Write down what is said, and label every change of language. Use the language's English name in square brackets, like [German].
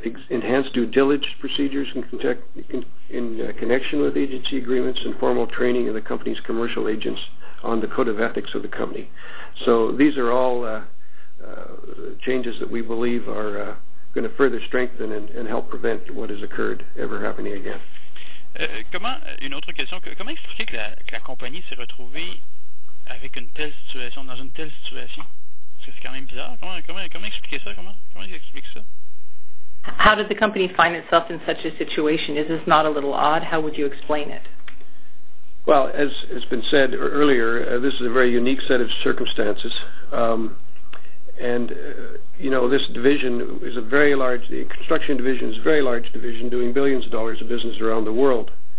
[English] enhanced due diligence procedures in connection with agency agreements, and formal training of the company's commercial agents on the code of ethics of the company. So these are all changes that we believe are going to further strengthen and help prevent what has occurred ever happening again. [French] Comment expliquer que la compagnie s'est retrouvée avec une telle situation, dans une telle situation? C'est quand même bizarre. Comment expliquer ça? Comment ils expliquent ça? [English] How did the company find itself in such a situation? Is this not a little odd? How would you explain it? Well, as has been said earlier, this is a very unique set of circumstances. This division is a very large, the construction division is a very large division doing billions of dollars of business around the world.